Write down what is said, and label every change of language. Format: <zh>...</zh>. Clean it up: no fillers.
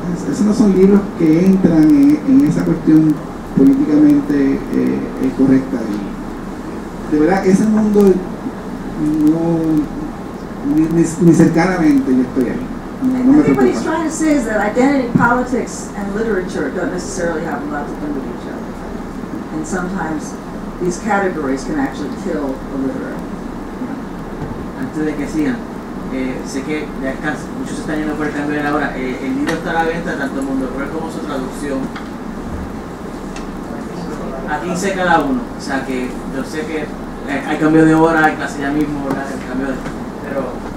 <es>Esos no son libros que entran en esa cuestión políticamente correcta. Y, de verdad, ese mundo no, ni cercanamente yo estoy ahí.</es> <en>I think what he's trying to say is that identity politics and literature don't necessarily have a lot to do with each other. And sometimes these categories can actually kill the literary.</en> <es>Antes de que sigan, sé que ya casi muchos están yendo por el cambio de la hora. El libro está a la venta tanto en Mundo Cruel como su traducción. A 15 cada uno. O sea que yo sé que hay cambio de hora, hay clase ya mismo, ¿verdad? El cambio de. Pero.</es>